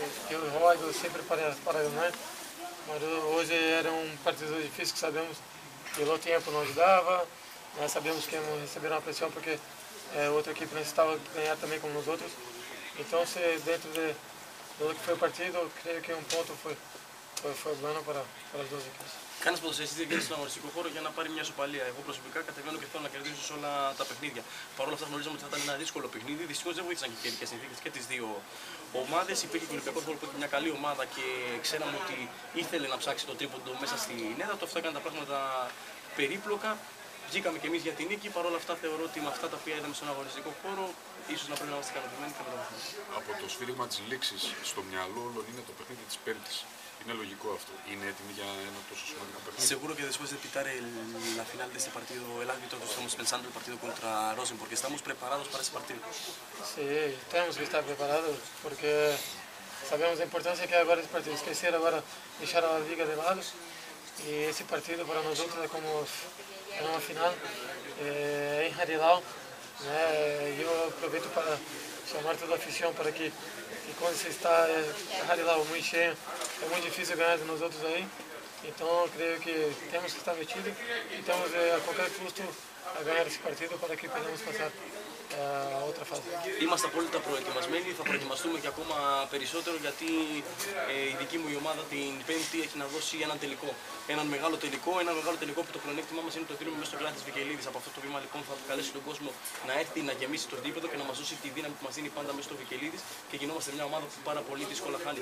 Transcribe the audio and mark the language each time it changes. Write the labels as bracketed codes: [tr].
[es] Yo juego siempre para ganar, pero hoy era un partido difícil que sabemos que el tiempo no ayudaba. Sabemos que hemos recibido una presión porque otra equipo necesitaba ganar también como nosotros. Entonces, dentro de lo que fue el partido, creo que un punto fue bueno para las dos equipos. [el] Κάνεις ποδοσφαιριστής δεν στον αγωνιστικό χώρο για να πάρει μια ισοπαλία. Εγώ προσωπικά κατεβαίνω και θέλω να κερδίσω όλα τα παιχνίδια. Παρ' όλα αυτά, γνωρίζαμε ότι θα ήταν ένα δύσκολο παιχνίδι. Δυστυχώς δεν βοήθησαν και οι καιρικές συνθήκες και τις δύο ομάδες. Υπήρχε και ο Ολυμπιακός που ήταν μια καλή ομάδα και ξέραμε ότι ήθελε να ψάξει το τρίποντο μέσα στην έδρα του. Αυτά έκαναν τα πράγματα περίπλοκα. Βγήκαμε κι εμείς για την νίκη. Παρ' όλα αυτά, θεωρώ ότι με αυτά τα οποία είδαμε στον αγωνιστικό χώρο, ίσως να πρέπει να είμαστε ικανοποιημένοι και να το δούμε. Από το σφύριγμα της λήξης στο μυαλό όλων είναι το παιχνίδι της Πέμπτης. Είναι λογικό αυτό. Είναι έτοιμη για ένα τόσο σημαντικό παιχνίδι. [es] Seguro que después de pitar la final de este partido, el árbitro, estamos pensando el partido contra Rosen, porque estamos preparados para ese partido. Sí, tenemos que estar preparados, porque sabemos la importancia que hay ahora este partido. Esquecer ahora, dejar a la liga de lado. Y ese partido para nosotros es como una final en Jarilao. [pt] Yo aproveito para chamar toda a afición para que. E quando você está Jarilao muito cheio, é muito difícil ganhar de nós outros aí. Então, eu creio que temos que estar metidos e temos a qualquer custo a ganhar esse partido para que podamos passar a outra fase. [el] Είμαστε απόλυτα προετοιμασμένοι, θα προετοιμαστούμε και ακόμα περισσότερο γιατί η δική μου ομάδα την Πέμπτη έχει να δώσει έναν τελικό. Έναν μεγάλο τελικό, ένα μεγάλο τελικό που το πλεονέκτημά μας είναι το δίνουμε μέσα στο κλάδι της Βικελίδης. Από αυτό το βήμα λοιπόν θα καλέσει τον κόσμο να έρθει, να γεμίσει το δίπεδο και να μας δώσει τη δύναμη που μας δίνει πάντα μέσα στο Βικελίδης και γινόμαστε μια ομάδα που πάρα πολύ δύσκολα χάνει.